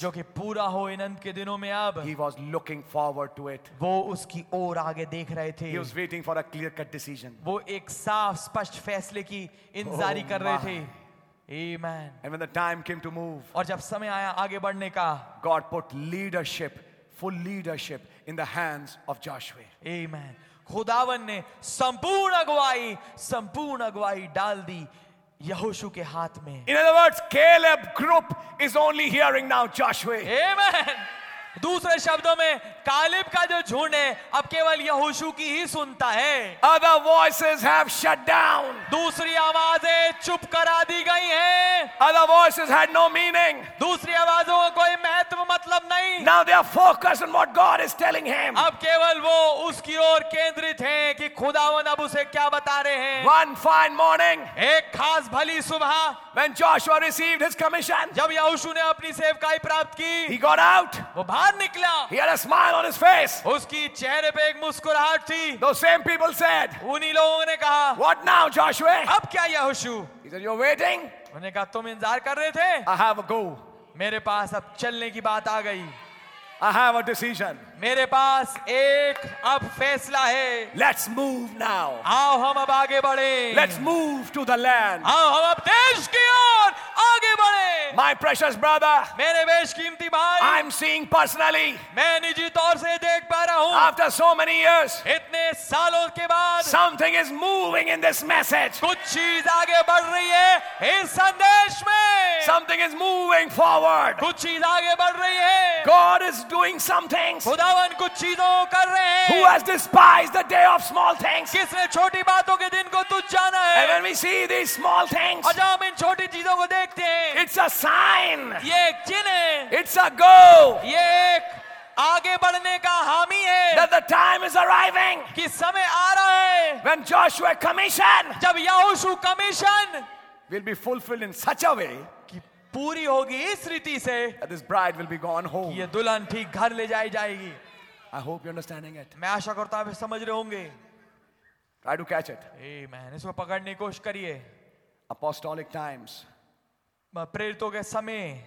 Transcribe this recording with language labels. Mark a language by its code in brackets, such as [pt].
[hi] जो कि पूरा हो इन अंत के दिनों में अब. [en] He was looking forward to it. [hi] वो उसकी ओर आगे देख रहे थे. [en] He was waiting for a clear-cut decision. [hi] वो एक साफ स्पष्ट फैसले की इंतजारी कर रहे थे. Amen. [en] And when the time came to move, [hi] और जब समय आया आगे बढ़ने का, [en] God put leadership, full leadership, in the hands of Joshua. Amen. [hi] खुदावन ने संपूर्ण अगुवाई डाल दी यहोशू के हाथ में. [en] In other words, Caleb group is only hearing now Joshua. Amen. [hi] दूसरे शब्दों में कालिब का जो झुंड है अब केवल यहोशू की ही सुनता है [en] Other voices have shut down. [hi] दूसरी आवाजें चुप करा दी गई हैं। [en] Other voices had no meaning. [hi] दूसरी आवाजों का कोई महत्व मतलब नहीं [en] Now they are focused on what God is telling him. [hi] अब केवल वो उसकी ओर केंद्रित हैं कि खुदावन अब उसे क्या बता रहे हैं [en] One fine morning. [hi] एक खास भली सुबह [en] When Joshua received his commission, [hi] जब यहोशू ने अपनी सेवकाई प्राप्त की [en] He got out. [hi] वो बाहर निकला [en] He had a smile on his face. [hi] उसकी चेहरे पे एक मुस्कुराहट थी [en] Those same people said, [hi] उन्हीं लोगों ने कहा [en] What now, Joshua? [hi] अब क्या यहोशू? [en] He said, You're waiting? [hi] उन्होंने कहा तुम इंतजार कर रहे थे [en] I have a go. [hi] मेरे पास अब चलने की बात आ गई [en] I have a decision. [hi] मेरे पास एक अब फैसला है. [en] Let's move now. [hi] आओ हम अब आगे बढ़े. [en] Let's move to the land. [hi] आओ हम अब देश की ओर आगे बढ़े. [en] My precious brother. [hi] मेरे बेशकीमती भाई. [en] I'm seeing personally. [hi] मैं निजी तौर से देख पा रहा हूँ. [en] After so many years. [hi] इतने सालों के बाद. [en] Something is moving in this message. [hi] कुछ चीज आगे बढ़ रही है इस संदेश में. [en] Something is moving forward. [hi] कुछ चीज आगे बढ़ रही है. [en] God is doing some things. [hi] कुछ चीजों कर रहे हैं [en] Who has despised the day of small things? [hi] किसने छोटी बातों के दिन को तुझ जाना है [en] And when we see these small things, [hi] और जब हम इन छोटी चीजों को देखते हैं [en] It's a sign. [hi] ये एक चिन्ह है [en] It's a go. [hi] ये एक आगे बढ़ने का हामी है [en] That the time is arriving. [hi] कि समय आ रहा है [en] When Joshua commission, [hi] जब यहोशू commission [en] will be fulfilled in such a way. [hi] पूरी होगी इस रीति से [en] this bride will be gone home [hi] ये दुल्हन ठीक घर ले जाई जाएगी [en] I hope you understanding it [hi] मैं आशा करता हूं आप समझ रहे होंगे [en] try to catch it [hi] आमेन इसको पकड़ने की कोशिश करिए [en] apostolic times [hi] प्रेरितों के समय